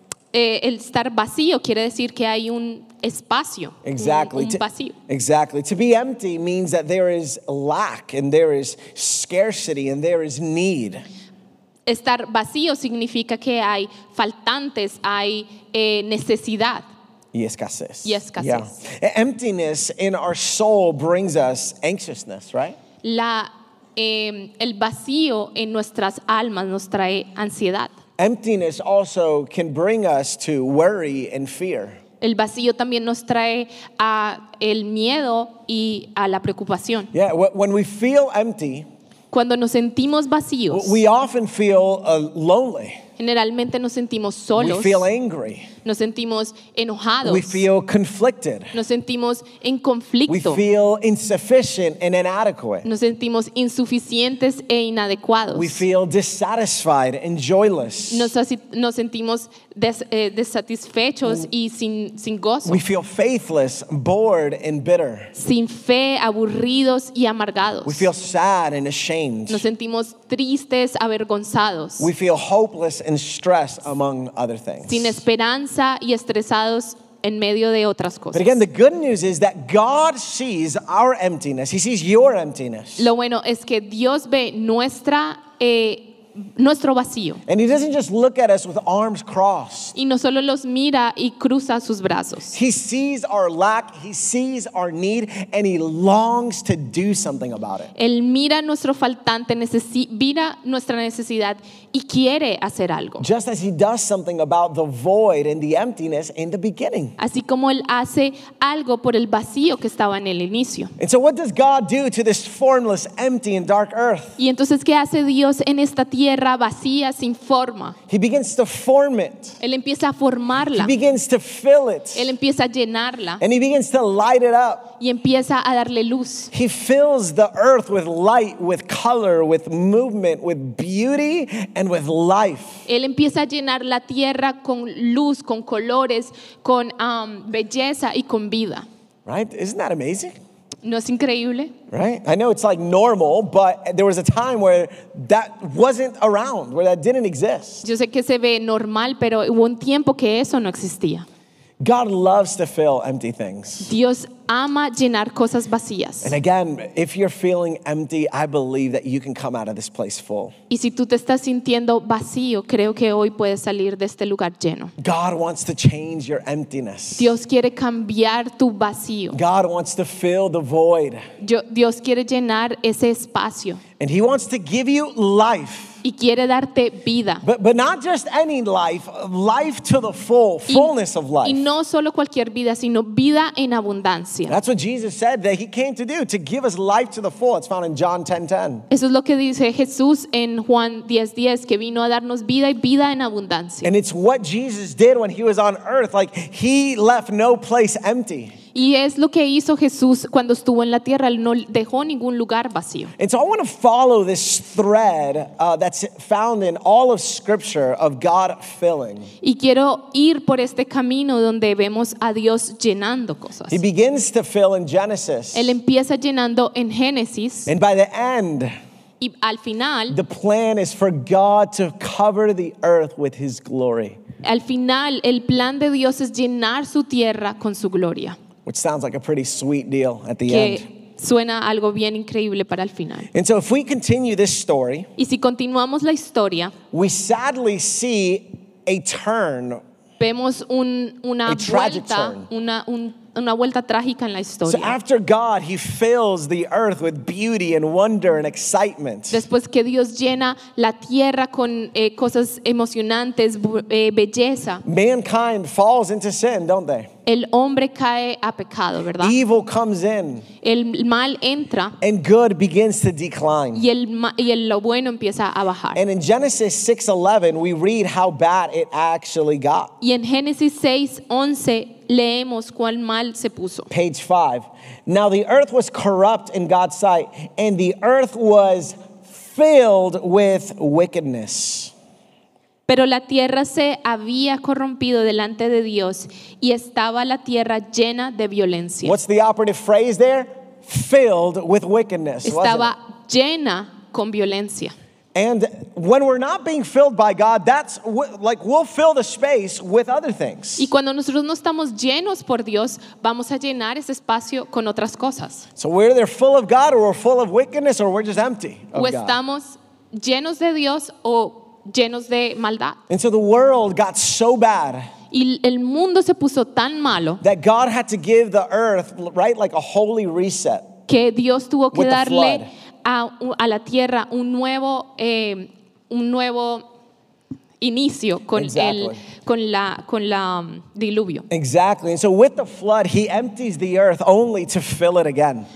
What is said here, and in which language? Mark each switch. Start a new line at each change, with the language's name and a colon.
Spanish: El estar vacío quiere decir que hay un espacio,
English: exactly.
Spanish: un vacío.
English: Exactly. To be empty means that there is lack and there is scarcity and there is need.
Spanish: Estar vacío significa que hay faltantes, hay necesidad. Y escasez. Y escasez.
English: Yeah. Emptiness in our soul brings us anxiousness, right?
Spanish: El vacío en nuestras almas nos trae ansiedad.
English: Emptiness also can bring us to worry and fear.
Spanish: El vacío también nos trae el miedo y a la preocupación.
English: Yeah, when we feel empty,
Spanish: cuando nos sentimos vacíos,
English: we often feel lonely.
Spanish: Generalmente nos sentimos solos.
English: We feel angry.
Spanish: Nos sentimos enojados.
English: We feel conflicted.
Spanish: Nos sentimos en conflicto.
English: We feel insufficient and inadequate.
Spanish: Nos sentimos insuficientes e inadecuados.
English: We feel dissatisfied and joyless.
Spanish: Nos sentimos desatisfechos y sin gozo.
English: We feel faithless, bored and bitter.
Spanish: Sin fe, aburridos y amargados.
English: We feel sad and ashamed.
Spanish: Nos sentimos tristes, avergonzados.
English: We feel hopeless and stress, among other things.
Spanish: Sin esperanza y estresados en medio de otras cosas.
English: But again, the good news is that God sees our emptiness. He sees your emptiness.
Spanish: Lo bueno es que Dios ve nuestra nuestro vacío.
English: And He doesn't just look at us with arms crossed.
Spanish: Y no solo los mira y cruza sus brazos.
English: He sees our lack, He sees our need, and He longs to do something about it.
Spanish: Él mira nuestro faltante, mira nuestra necesidad y quiere hacer algo.
English: Just as He does something about the void and the emptiness in the beginning.
Spanish: Así como Él hace algo por el vacío que estaba en el inicio.
English: And so what does God do to this formless, empty, and dark earth?
Spanish: Y entonces, ¿qué hace Dios en esta tierra? Tierra vacía, sin forma.
English: He begins to form it.
Spanish: Él empieza a formarla.
English: He begins to fill it.
Spanish: Él empieza a llenarla.
English: And He begins to light it up.
Spanish: Y empieza a darle luz.
English: He fills the earth with light, with color, with movement, with beauty, and with life.
Spanish: Él empieza a llenar la tierra con luz, con colores, con belleza y con vida.
English: Right? Isn't that amazing?
Spanish: No es increíble.
English: Right? I know it's like normal, but there was a time where that wasn't around, where that didn't exist.
Spanish: Yo sé que se ve normal, pero hubo un tiempo que eso no existía.
English: God loves to fill empty things.
Spanish: Dios ama llenar cosas vacías.
English: And again, if you're feeling empty, I believe that you can come out of this place full.
Spanish: Y si tú te estás sintiendo vacío, creo que hoy puedes salir de este lugar lleno.
English: God wants to change your emptiness.
Spanish: Dios quiere cambiar tu vacío.
English: God wants to fill the void.
Spanish: Dios quiere llenar ese espacio.
English: And he wants to give you life.
Spanish: Y quiere darte vida.
English: But not just any life, life to the full, fullness of life.
Spanish: Y no solo cualquier vida, sino vida en abundancia.
English: That's what Jesus said that he came to do, to give us life to the full. It's found in John 10:10.
Spanish: Eso es lo que dice Jesús en Juan 10:10, que vino a darnos vida y vida en abundancia.
English: And it's what Jesus did when he was on earth, like he left no place empty.
Spanish: Y es lo que hizo Jesús cuando estuvo en la tierra. Él no dejó ningún lugar vacío.
English: And so I want to follow this thread that's found in all of Scripture of God filling.
Spanish: Y quiero ir por este camino donde vemos a Dios llenando cosas.
English: He begins to fill in Genesis.
Spanish: Él empieza llenando en Génesis.
English: And by the end,
Spanish: y al final,
English: the plan is for God to cover the earth with His glory.
Spanish: Al final, el plan de Dios es llenar su tierra con su gloria.
English: Which sounds like a pretty sweet deal at the
Spanish: que
English: end.
Spanish: Suena algo bien increíble para el final.
English: And so if we continue this story,
Spanish: y si continuamos la historia,
English: we sadly see a turn,
Spanish: vemos una
English: a tragic
Spanish: vuelta,
English: turn.
Spanish: Una vuelta trágica en la historia.
English: So after God, he fills the earth with beauty and wonder and excitement.
Spanish: Después que Dios llena la tierra con cosas emocionantes, belleza.
English: Mankind falls into sin, don't they?
Spanish: El hombre cae a pecado, ¿verdad?
English: Evil comes in.
Spanish: El mal entra.
English: And good begins to decline.
Spanish: Y el lo bueno empieza a bajar.
English: And in Genesis 6:11, we read how bad it actually got.
Spanish: Y en Génesis 6:11, leemos cuál mal se puso.
English: Page 5. Now the earth was corrupt in God's sight, and the earth was filled with wickedness.
Spanish: Pero la tierra se había corrompido delante de Dios y estaba la tierra llena de violencia.
English: What's the operative phrase there? Filled with wickedness.
Spanish: Estaba llena con violencia.
English: And when we're not being filled by God, that's like we'll fill the space with other things.
Spanish: Y cuando nosotros no estamos llenos por Dios, vamos a llenar ese espacio con otras cosas.
English: So we're either full of God or we're full of wickedness or we're just empty of God.
Spanish: O estamos llenos de Dios o llenos de maldad.
English: And so the world got so bad.
Spanish: Y el mundo se puso tan malo.
English: That God had to give the earth, right, like a holy reset.
Spanish: Que Dios tuvo que darle a la tierra un nuevo inicio con
English: exactly.
Spanish: con la diluvio.
English: Exactly. And so with the flood, he empties the earth only to fill it again.